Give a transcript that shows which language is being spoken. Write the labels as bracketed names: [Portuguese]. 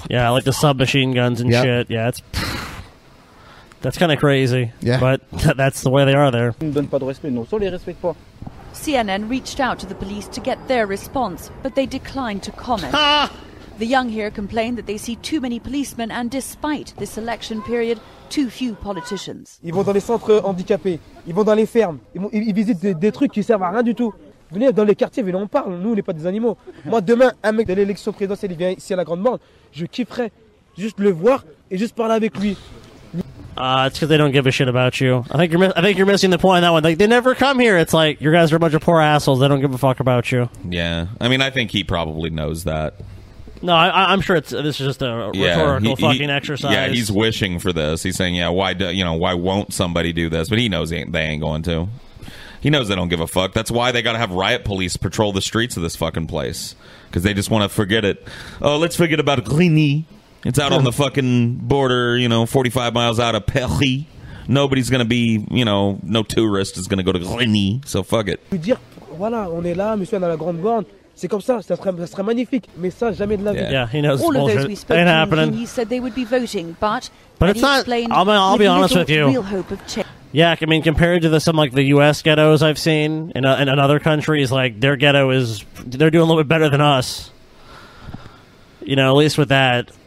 [English] Yeah, like the submachine guns and shit. Yeah, it's... That's kind of crazy. Yeah. But that's the way they are there. CNN reached out to the police to get their response, but they declined to comment. Ha! The young here complained that they see too many policemen and, despite this election period, too few politicians. [French] Ils vont dans les centres handicapés, ils vont dans les fermes, ils visitent des trucs qui servent à rien du tout. Venez dans les quartiers, venez, on parle, nous, on n'est pas des animaux. Moi, demain, un mec de l'élection présidentielle, il vient ici à la Grande Banque, je kifferais juste le voir et juste parler avec lui. [English] It's because they don't give a shit about you. I think you're missing the point on that one. Like, they never come here. It's like, you guys are a bunch of poor assholes. They don't give a fuck about you. Yeah. I mean, I think he probably knows that. No, I'm sure this is just a rhetorical exercise. Yeah, he's wishing for this. He's saying, yeah, why won't somebody do this? But he knows they ain't going to. He knows they don't give a fuck. That's why they got to have riot police patrol the streets of this fucking place. Because they just want to forget it. Oh, let's forget about Grigny. It's out on the fucking border, you know, 45 miles out of Paris. Nobody's going to be, you know, no tourist is going to go to Grigny, so fuck it. [French] Je veux dire, voilà, on est là, monsieur, dans la grande bande. C'est comme ça, ça serait magnifique, mais ça, jamais de la vie. [English] Yeah, he knows all bullshit. All of those we spoke to Grigny said they would be voting, but it's not, I'll be honest with you. Real hope of yeah, I mean, compared to the U.S. ghettos I've seen in other countries, like, their ghetto is, they're doing a little bit better than us. You know, at least with that.